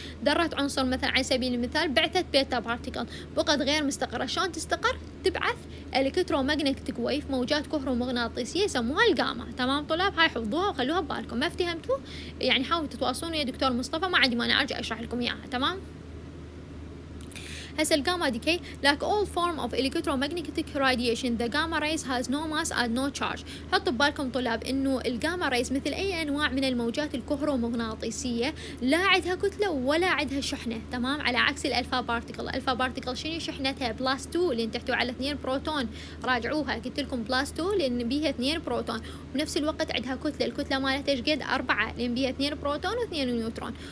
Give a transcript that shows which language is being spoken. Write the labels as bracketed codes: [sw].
[ar] ذرة عنصر مثلا على سبيل المثال بعثت بيتا بارتيكل بقت غير مستقرة، شلون تستقر؟ تبعث الكترومغناطيك ويف، موجات كهرومغناطيسية يسموها الجاما، تمام طلاب؟ هاي حفظوها وخلوها ببالكم، ما افتهمتوا يعني حاولوا تتواصلون يا دكتور مصطفى، ما عندي مانع ارجع اشرح لكم اياها، تمام؟ هسه الجاما ديكي [en] like all form of electromagnetic radiation the gamma rays has no mass and no charge. [ar] حط ببالكم طلاب انه الجاما rays مثل اي انواع من الموجات الكهرومغناطيسية لا عندها كتلة ولا عندها شحنة، تمام؟ على عكس الالفا بارتيكل. الفا بارتيكل شنو شحنتها؟ بلاس 2 لان تحتوي على 2 بروتون. راجعوها، قلت لكم بلاس 2 لان بيها 2 بروتون، وبنفس الوقت عندها كتلة، الكتلة مالتها شقد؟ 4 لان بيها 2 بروتون و2 نيوترون.